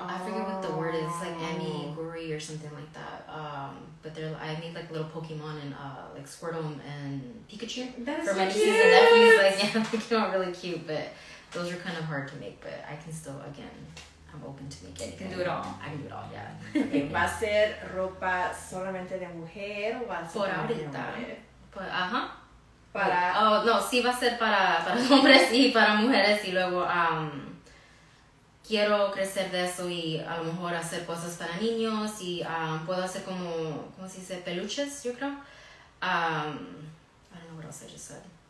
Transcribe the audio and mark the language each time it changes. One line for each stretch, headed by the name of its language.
English: I forget what the word is, like, animugri or something like that. But they're, I made, like, little Pokemon and, like, Squirtle and Pikachu. That's for my cute. Nieces and nephews. Like, yeah, they came out really cute, but... Those are kind of hard to make, but I can still, again, I'm open to make it. You can do it all. I can do it all, yeah.
Spanish: Okay, ¿va a ser ropa solamente de mujer o va a ser por ahorita? Pues, ajá. Para... Oh, no, sí va a ser para hombres y para mujeres, y luego quiero crecer de eso y a lo mejor hacer cosas para niños y puedo hacer como, ¿cómo se dice? Peluches, yo creo.
English: I don't know what else I just said.